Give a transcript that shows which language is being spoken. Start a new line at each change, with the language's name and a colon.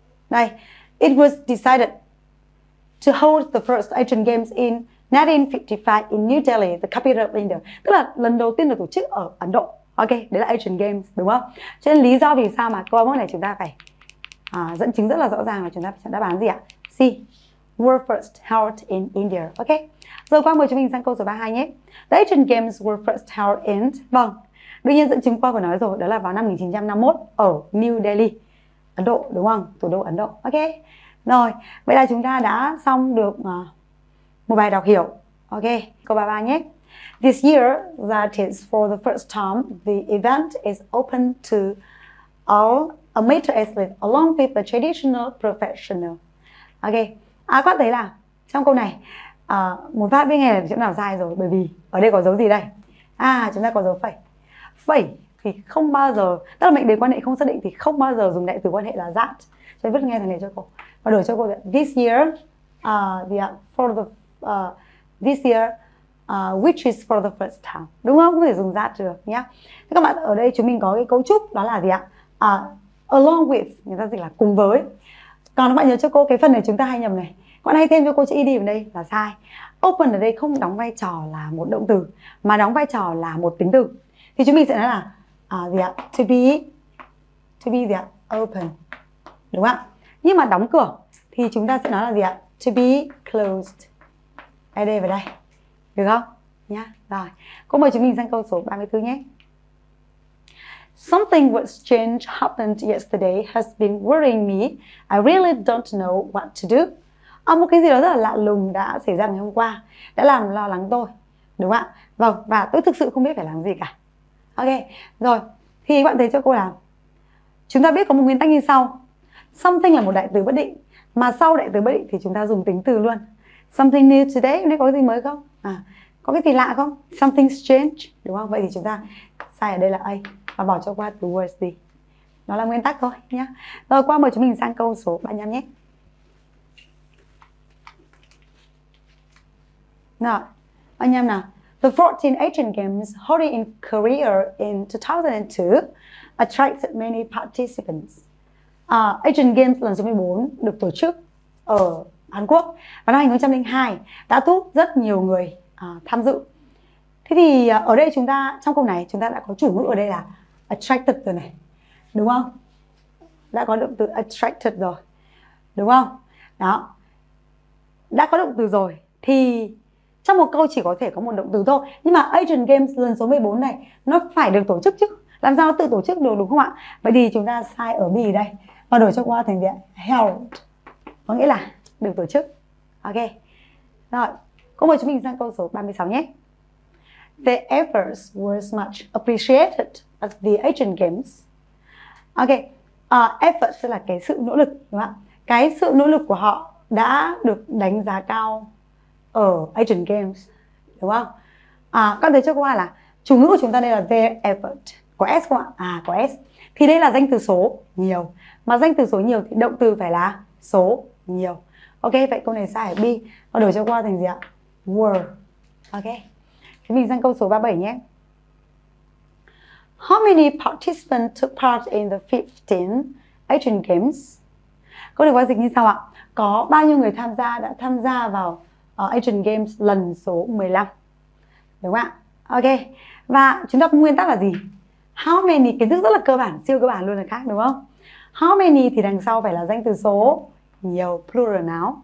English: Đây, it was decided to hold the first Asian Games in 1955 in New Delhi, the capital of India.
Vietnamese: Tức là lần đầu tiên được tổ chức ở Ấn Độ. Ok, đấy là Asian Games, đúng không? Cho nên lý do vì sao mà câu 31 này chúng ta phải dẫn chứng rất là rõ ràng là chúng ta phải chọn đáp án gì ạ? C, were first held in India. Ok, rồi qua mời chúng mình sang câu số 32 nhé. The Asian Games were first held in... Vâng, đương nhiên dẫn chứng qua vừa nói rồi, đó là vào năm 1951 ở New Delhi, Ấn Độ, đúng không? Thủ đô Ấn Độ. Ok. Rồi, vậy là chúng ta đã xong được một bài đọc hiểu. Ok, câu 33 nhé.
English: This year, that is for the first time, the event is open to all amateur athletes along with the traditional professional.
Vietnamese: Ok, có thấy là trong câu này một phát biết nghe là chỗ nào sai rồi. Bởi vì ở đây có dấu gì đây? Chúng ta có dấu phẩy. Phẩy thì không bao giờ, tức là mệnh đề quan hệ không xác định thì không bao giờ dùng đại từ quan hệ là that. Cho nên vứt nghe thằng này cho cô và đổi cho cô đấy.
English: This year, which is for the first time, đúng không?
Vietnamese: Không thể dùng that được nhé. Thế các bạn ở đây chúng mình có cái cấu trúc đó là gì ạ? Along with, người ta dịch là cùng với. Còn các bạn nhớ cho cô cái phần này chúng ta hay nhầm này. Các bạn hay thêm cho cô chữ ed vào đây là sai. Open ở đây không đóng vai trò là một động từ mà đóng vai trò là một tính từ. Thì chúng mình sẽ nói là to be open, đúng không ạ? Nhưng mà đóng cửa thì chúng ta sẽ nói là gì ạ? To be closed. Đây đây, vào đây, được không nhá? Rồi, cô mời chúng mình sang câu số 34 nhé.
English: Something was changed happened yesterday has been worrying me. I really don't know what to do.
Vietnamese: Một cái gì đó rất là lạ lùng đã xảy ra ngày hôm qua đã làm lo lắng tôi, đúng không ạ? Vâng, và tôi thực sự không biết phải làm gì cả. Ok, rồi, thì các bạn thấy cho cô là chúng ta biết có một nguyên tắc như sau. Something là một đại từ bất định, mà sau đại từ bất định thì chúng ta dùng tính từ luôn. Something new today, hôm nay có cái gì mới không? Có cái gì lạ không? Something strange, đúng không? Vậy thì chúng ta sai ở đây là A và bỏ cho qua the words đi. Nó là nguyên tắc thôi nhá. Rồi, qua mời chúng mình sang câu số 35 nhé. Nào, anh em nào.
English: The 14 Asian Games held in Korea in 2002 attracted many participants.
Vietnamese: Asian Games lần số 14 được tổ chức ở Hàn Quốc vào năm 2002 đã thu hút rất nhiều người tham dự. Thế thì ở đây chúng ta, trong câu này chúng ta đã có chủ ngữ ở đây là attracted rồi này, đúng không? đã có động từ attracted rồi, đúng không? Đó, đã có động từ rồi thì trong một câu chỉ có thể có một động từ thôi. Nhưng mà Asian Games lần số 14 này nó phải được tổ chức chứ, làm sao nó tự tổ chức được, đúng không ạ? Vậy thì chúng ta sai ở bì đây và đổi cho qua thành điện held, có nghĩa là được tổ chức. Ok rồi, cô mời chúng mình sang câu số 36 nhé.
English: The efforts were much appreciated at the Asian Games.
Vietnamese: Ok, effort tức là cái sự nỗ lực, đúng không ạ? Cái sự nỗ lực của họ đã được đánh giá cao ở Asian Games, đúng không? Các thầy cho qua là chủ ngữ của chúng ta đây là their effort, có S không ạ? À, có S. Thì đây là danh từ số nhiều, mà danh từ số nhiều thì động từ phải là số nhiều. Ok, vậy câu này sai ở B, và đổi cho qua thành gì ạ? Were. Ok, chúng mình sang câu số 37 nhé.
English: How many participants took part in the 15th Asian Games?
Vietnamese: Câu này có dịch như sau ạ? Có bao nhiêu người tham gia đã tham gia vào Asian Games lần số 15? Đúng không ạ? Ok, và chúng ta có nguyên tắc là gì? How many, kiến thức rất là cơ bản, siêu cơ bản luôn là khác, đúng không? How many thì đằng sau phải là danh từ số nhiều, plural noun.